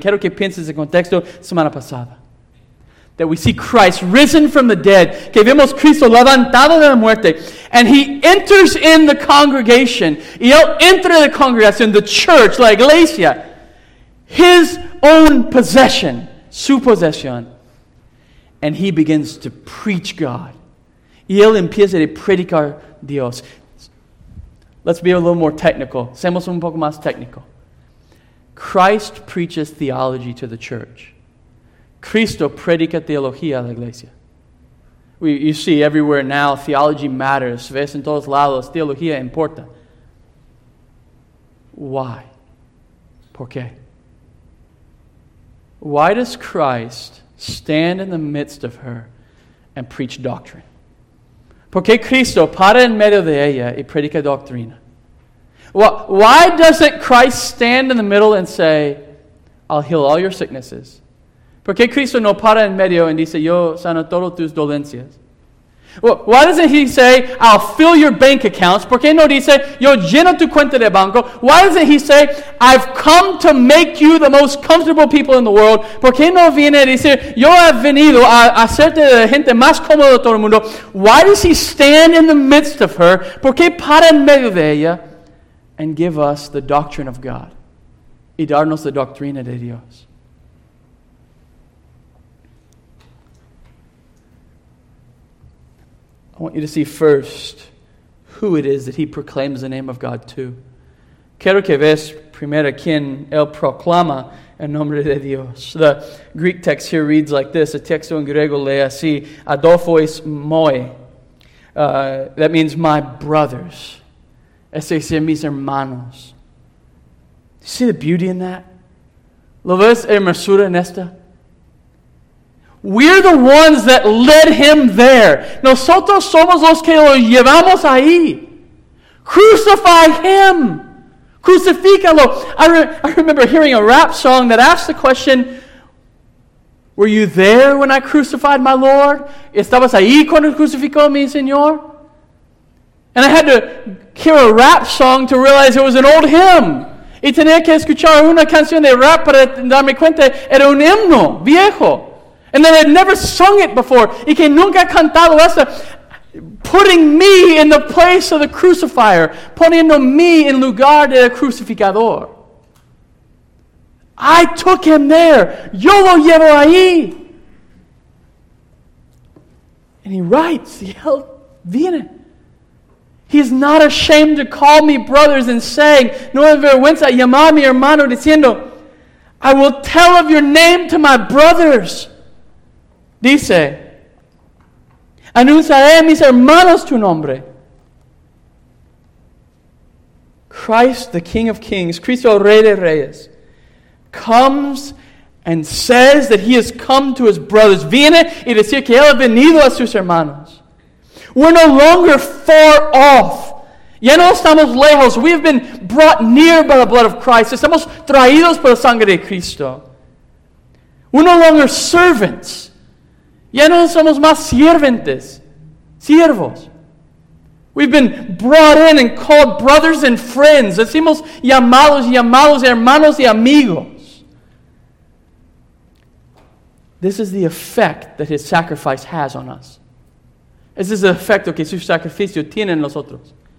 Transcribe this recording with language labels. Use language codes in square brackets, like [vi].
[es] Quiero que pienses en contexto semana pasada. [en] That we see Christ risen from the dead. [es] Que vemos Cristo levantado de la muerte. [en] And he enters in the congregation. [es] Y él entra en la congregación, [en] the church, [es] la iglesia. [en] His own possession, [es] su posesión. [en] And he begins to preach God. [es] Y él empieza a predicar Dios. [en] Let's be a little more technical. [es] Seamos un poco más técnico. [en] Christ preaches theology to the church. [es] Cristo predica teología a la iglesia. [en] You see everywhere now, theology matters. [es] Ves en todos lados, teología importa. [en] Why? [es] ¿Por qué? [en] Why does Christ stand in the midst of her and preach doctrine? [es] ¿Por qué Cristo para en medio de ella y predica doctrina? [en] Why doesn't Christ stand in the middle and say, I'll heal all your sicknesses? [es] ¿Por qué Cristo no para en medio y dice, yo sano todas tus dolencias? [en] Why doesn't he say, I'll fill your bank accounts? [es] ¿Por qué no dice, yo lleno tu cuenta de banco? [en] Why doesn't he say, I've come to make you the most comfortable people in the world? [es] ¿Por qué no viene y dice, yo he venido a hacerte la gente más cómoda de todo el mundo? [en] Why does he stand in the midst of her? [es] ¿Por qué para en medio de ella [en] and give us the doctrine of God? [es] Y darnos la doctrina de Dios. [en] I want you to see first who it is that he proclaims the name of God to. [es] Quiero que veas primero quien él proclama el nombre de Dios. [en] The Greek text here reads like this. [es] El texto en griego lee así, [en] Adolfois moi. That means my brothers. [es] Ese es mis hermanos. [en] You see the beauty in that? [es] ¿Lo ves hermosura en esta? [en] We're the ones that led him there. [es] Nosotros somos los que lo llevamos ahí. [en] Crucify him. [es] Crucifícalo. [en] I remember hearing a rap song that asked the question, were you there when I crucified my Lord? [es] ¿Estabas ahí cuando crucificó mi Señor? [en] And I had to hear a rap song to realize it was an old hymn. [es] Y tenía que escuchar una canción de rap para darme cuenta era un himno viejo. [en] And that I'd never sung it before. [es] Y que nunca cantado eso. [en] Putting me in the place of the crucifier. [es] Poniendo me en lugar del crucificador. [en] I took him there. [es] Yo lo llevo ahí. [en] And he writes. [es] Y él viene. [en] He's not ashamed to call me brothers and saying, [es] no avergüenza llamar mi hermano diciendo, [en] I will tell of your name to my brothers. [es] Dice, anunciaré a mis hermanos tu nombre. [en] Christ, the King of Kings, [es] Cristo Rey de Reyes, [en] comes and says that he has come to his brothers. [es] Viene y dice que él ha venido a sus hermanos. [en] We're no longer far off. [es] Ya no estamos lejos. [en] We have been brought near by the blood of Christ. [es] Estamos traídos por la sangre de Cristo. [en] We're no longer servants. [es] Ya no somos más sirventes, siervos. [en] We've been brought in and called brothers and friends. [es] Decimos llamados, llamados hermanos y amigos. [en] This is the effect that his sacrifice has on us. [es] Este es el efecto que su sacrificio tiene en nosotros.